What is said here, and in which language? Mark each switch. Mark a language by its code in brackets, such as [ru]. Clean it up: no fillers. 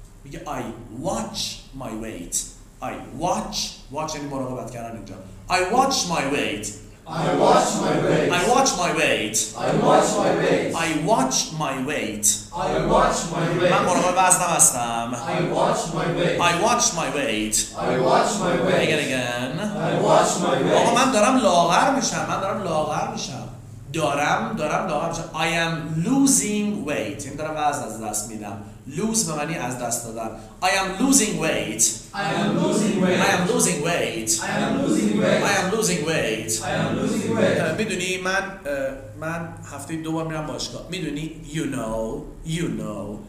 [fa] میگه [en] I watch my weight. I watch. [fa] Watch یعنی مراقبت کردن اینجا. [en] I watch my weight. I watch my weight. I watch my weight. I watch my weight. I watch my weight. I watch my weight. [fa] من مراقب وزنم هستم. [en] I watch my weight. I watch my weight. I watch my weight. Again. I watch my weight. [fa] آقا من دارم لاغر میشم. من دارم لاغر میشم. دارم لاغر میشم. [en] I am losing weight. [fa] یعنی دارم وزن از دست میدم. Lose به معنی از دست دادن. [en] I am losing weight. I am losing weight. I am losing weight. I am losing weight. I am losing weight. I am losing weight. [fa] میدونی من هفته دو بار میرم باشگاه. میدونی [en] you know you know.